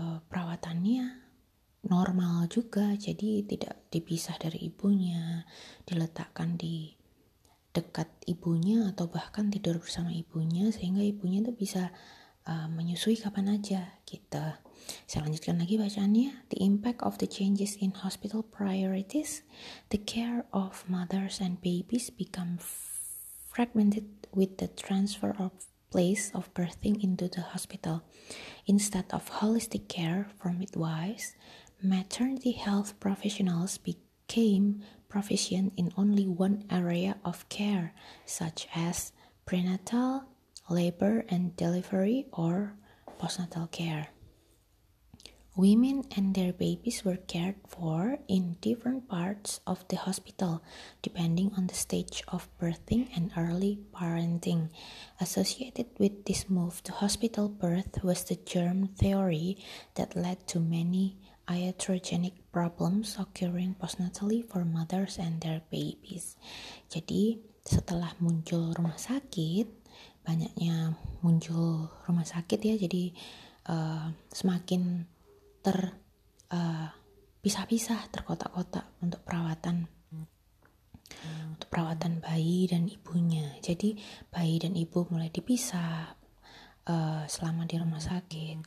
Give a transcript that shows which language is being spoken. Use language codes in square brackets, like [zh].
[id] perawatannya normal juga, jadi tidak dipisah dari ibunya, diletakkan di dekat ibunya atau bahkan tidur bersama ibunya, sehingga ibunya itu bisa menyusui kapan aja kita. Saya lanjutkan lagi bacaannya. [en] The impact of the changes in hospital priorities, the care of mothers and babies become fragmented with the transfer of place of birthing into the hospital. Instead of holistic care for midwives, maternity health professionals became proficient in only one area of care, such as prenatal, labor and delivery, or postnatal care. Women and their babies were cared for in different parts of the hospital, depending on the stage of birthing and early parenting. Associated with this move to hospital birth was the germ theory that led to many iatrogenic problems occurring postnatally for mothers and their babies. [id] Jadi, setelah muncul rumah sakit, banyaknya muncul rumah sakit ya, jadi semakin terpisah-pisah, terkotak-kotak untuk perawatan untuk perawatan bayi dan ibunya. Jadi bayi dan ibu mulai dipisah selama di rumah sakit.